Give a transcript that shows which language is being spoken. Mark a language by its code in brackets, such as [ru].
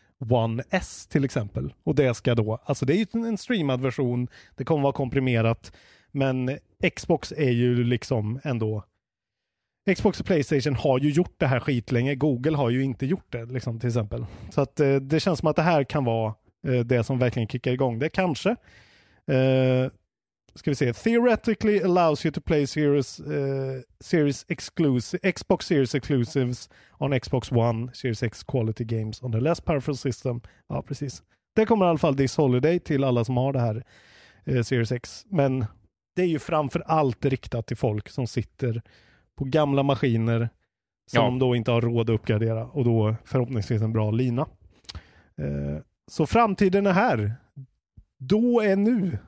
[sv] One S till exempel. Och det ska då, alltså det är ju en streamad version, det kommer vara komprimerat, men Xbox är ju liksom ändå, Xbox och PlayStation har ju gjort det här skitlänge, Google har ju inte gjort det liksom till exempel. Så att det känns som att det här kan vara det som verkligen kickar igång det kanske. Ska vi se, [en] theoretically allows you to play series exclusive Xbox Series exclusives on Xbox One Series X quality games on the less powerful system. [sv] Ja, precis. Det kommer i alla fall [en] this holiday [sv] till alla som har det här Series X. Men det är ju framför allt riktat till folk som sitter på gamla maskiner som ja. Då inte har råd att uppgradera och då förhoppningsvis en bra lina. Så framtiden är här. Då är nu.